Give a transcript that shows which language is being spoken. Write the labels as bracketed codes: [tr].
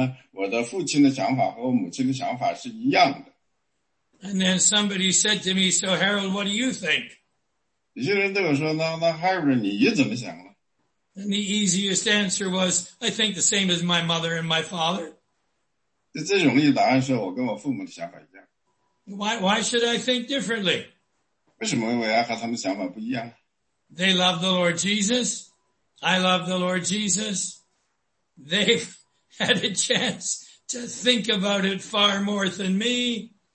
[zh] 所以当我还年轻的时候呢,我非常高兴地看到呢,我的父亲的想法和我母亲的想法是一样的。 [en] And then somebody said to me, so Harold, what do you think? [zh] 有些人对我说, 那, Harold, 你怎么想呢? [en] And the easiest answer was, I think the same as my mother and my father. [zh] 最容易的答案是我跟我父母的想法一样。 [en] Why should I think differently? [zh] 为什么我要和他们想法不一样? [en] They love the Lord Jesus. I love the Lord Jesus. They've had a chance to think about it far more than me.